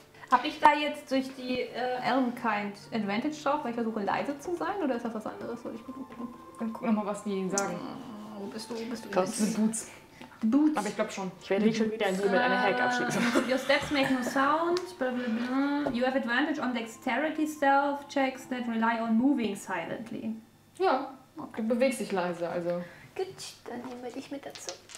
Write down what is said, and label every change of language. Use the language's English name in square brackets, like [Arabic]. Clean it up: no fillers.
[German] Habe ich da jetzt durch die Elmkind Advantage drauf, weil ich versuche leise zu sein? Oder ist das was anderes? Soll ich mal gucken? Dann guck nochmal, was die sagen. Wo bist du? Wo bist du? Die Boots. [English] The Boots. [German] Aber ich glaube schon. Ich werde dich schon wieder in die mit einer Hack abschießen. [English] Your steps make no sound. Blah, blah, blah. You have advantage on dexterity stealth checks that rely on moving silently. [German] Ja, okay. Du bewegst dich leise, also. Gut, dann nehmen wir dich mit dazu.